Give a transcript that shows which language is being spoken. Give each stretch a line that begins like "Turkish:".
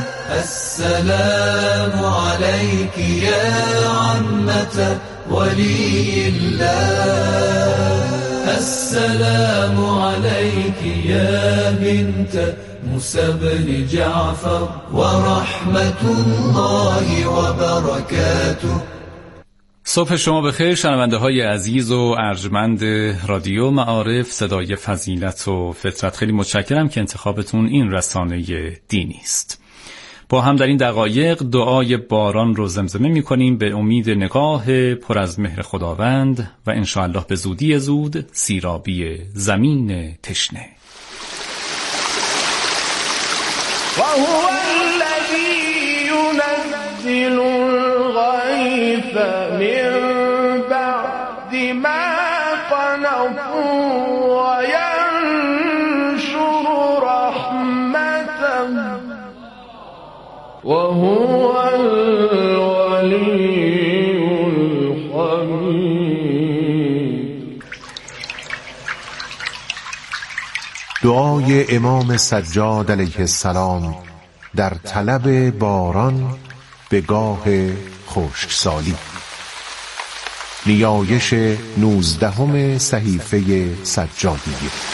Arabic: السلام عليك يا عمة ولي الله. السلام عليك يا بنت موسى بن جعفر ورحمة الله وبركاته.
Persian: صبح شما بخیر شنونده های عزیز و ارجمند رادیو معارف، صدای فضیلت و فطرت. خیلی متشکرم که انتخابتون این رسانه دینی است. با هم در این دقایق دعای باران رو زمزمه می کنیم به امید نگاه پر از مهر خداوند و انشاءالله به زودی زود سیرابی زمین تشنه.
Arabic: و هو الذی ینزل الغیث من بعد ما قنطوا وینشر رحمته وهو الولي الحميد.
Persian: دعای امام سجاد علیه السلام در طلب باران به گاه خشکسالی، نیایش 19 صحیفه سجادیه.